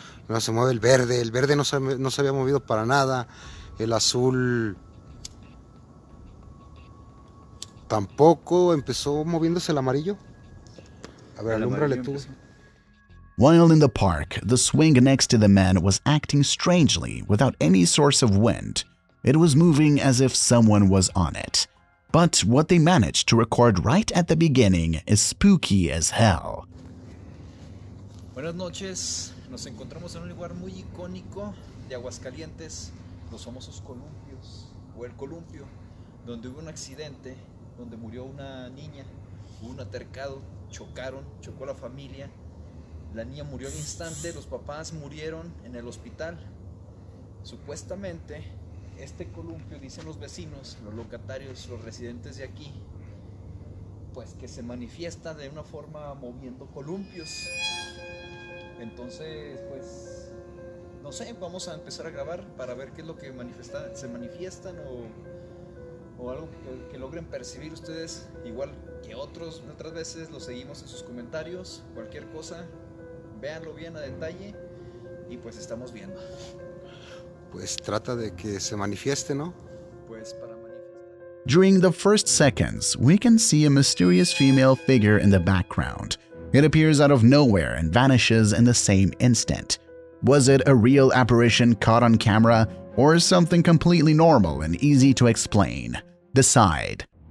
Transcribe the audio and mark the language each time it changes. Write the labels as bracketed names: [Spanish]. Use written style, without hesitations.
[Spanish] No, se mueve el verde no se había movido para nada, el azul tampoco, empezó moviéndose el amarillo. A ver, alúmbrale tú. [English] While in the park, the swing next to the man was acting strangely without any source of wind. It was moving as if someone was on it. But what they managed to record right at the beginning is spooky as hell. [Spanish] Buenas noches. Nos encontramos en un lugar muy icónico de Aguascalientes, los famosos columpios, o el columpio, donde hubo un accidente, donde murió una niña, hubo un altercado, chocó la familia, la niña murió al instante, los papás murieron en el hospital. Supuestamente, este columpio, dicen los vecinos, los locatarios, los residentes de aquí, pues que se manifiesta de una forma moviendo columpios. Entonces, pues, no sé, vamos a empezar a grabar para ver qué es lo que manifiesta, se manifiestan o algo que logren percibir ustedes, igual que otros, otras veces lo seguimos en sus comentarios, cualquier cosa, véanlo bien a detalle y pues estamos viendo. Pues trata de que se manifieste, ¿no? Pues para [English] During the first seconds, we can see a mysterious female figure in the background. It appears out of nowhere and vanishes in the same instant. Was it a real apparition caught on camera, or something completely normal and easy to explain? Decide.